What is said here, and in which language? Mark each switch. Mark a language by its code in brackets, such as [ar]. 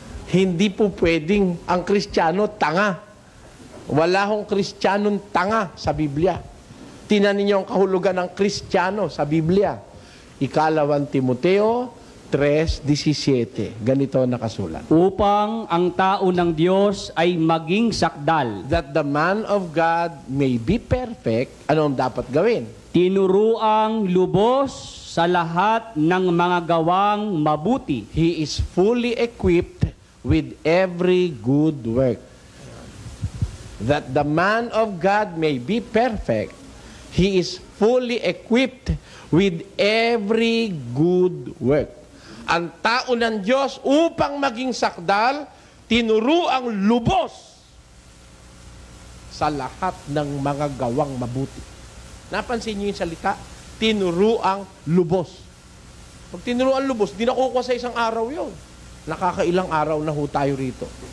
[tl] Hindi po pwedeng ang Kristiyano tanga. Wala hong Kristiyanong tanga sa Biblia. Tinanin niyo ang kahulugan ng Kristiyano sa Biblia. Ikalawang Timoteo 3:17. Ganito nakasulat. Upang ang tao ng Diyos ay maging sakdal. [en] That the man of God may be perfect. [tl] Ano ang dapat gawin? Tinuruang lubos sa lahat ng mga gawang mabuti. [en] He is fully equipped with every good work. That the man of God may be perfect, he is fully equipped with every good work. [tl] Ang tao ng Diyos, upang maging sakdal, tinuruang lubos sa lahat ng mga gawang mabuti. Napansin niyo yung salita? Tinuruang lubos. Pag tinuruang lubos, di nakukuha sa isang araw yun. Nakakailang araw na ho tayo rito.